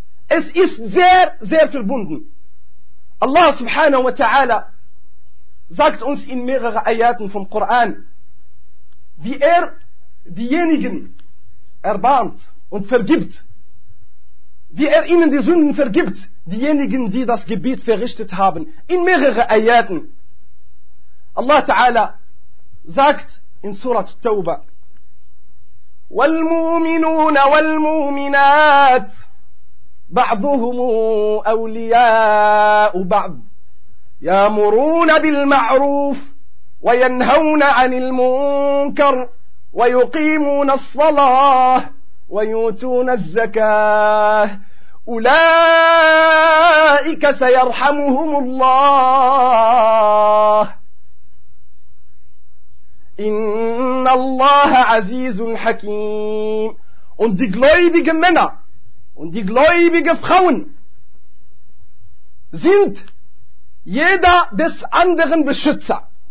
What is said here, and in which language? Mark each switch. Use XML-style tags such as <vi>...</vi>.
<de>Es ist sehr, sehr verbunden. Allah subhanahu wa ta'ala sagt uns in mehreren Ayaten vom Koran, wie er diejenigen erbarmt und vergibt, wie er ihnen die Sünden vergibt, diejenigen, die das Gebet verrichtet haben, in mehreren Ayaten. Allah ta'ala sagt in Surat Tauba,</de> <ar>والمؤمنون والمؤمنات بعضهم أولياء بعض يأمرون بالمعروف وينهون عن المنكر ويقيمون الصلاة ويؤتون الزكاة أولئك سيرحمهم الله إن الله عزيز حكيم.</ar> <de>Und die gläubigen Männer und die gläubigen Frauen sind jeder des anderen Beschützer.</de>